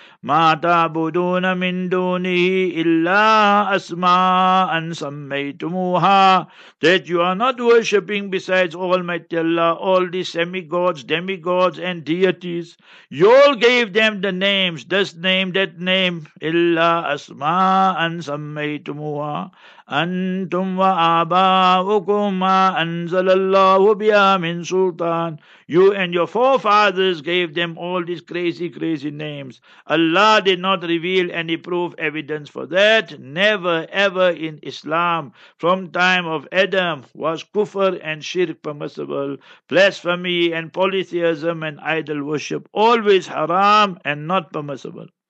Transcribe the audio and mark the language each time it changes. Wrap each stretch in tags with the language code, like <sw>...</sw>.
<ar>مَا تَعْبُدُونَ مِن دُونِهِ إِلَّا أَسْمَاءً سَمَّيْتُمُوهَا.</ar> <en>That you are not worshipping besides Almighty Allah, all these semi-gods, demigods and deities. You all gave them the names, this name, that name. إِلَّا أَسْمَاءً سَمَّيْتُمُوهَا.</en> <ar>أنتم وآباؤكم ما أنزل الله بها من سلطان.</ar> <en>You and your forefathers gave them all these crazy, crazy names. Allah did not reveal any proof, evidence for that. Never, ever in Islam, from time of Adam, was kufr and shirk permissible. Blasphemy and polytheism and idol worship, always haram and not permissible.</en>